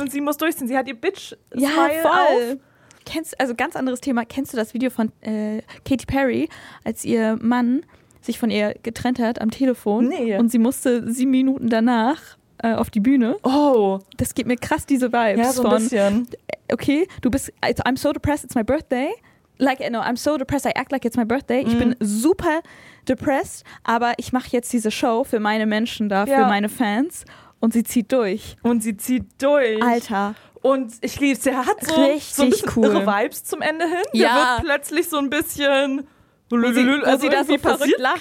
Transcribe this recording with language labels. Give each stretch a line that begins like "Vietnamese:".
German: Und sie muss durchziehen, sie hat ihr Bitch-Smile auf. Also ganz anderes Thema, kennst du das Video von Katy Perry, als ihr Mann sich von ihr getrennt hat am Telefon? Nee. Und sie musste 7 Minuten danach auf die Bühne. Oh. Das gibt mir krass diese Vibes. Ja, so ein bisschen. Okay, du bist,
English: I'm so depressed, it's my birthday. I'm so depressed, I act like it's my birthday.
German: Mhm. Ich bin super depressed, aber ich mache jetzt diese Show für meine Menschen da, für meine Fans. Und sie zieht durch. Alter. Und ich liebe es, der hat so, richtig so ein bisschen cool. Irre Vibes zum Ende hin. Ja. Der wird plötzlich so ein bisschen... Sie da so verrückt lacht,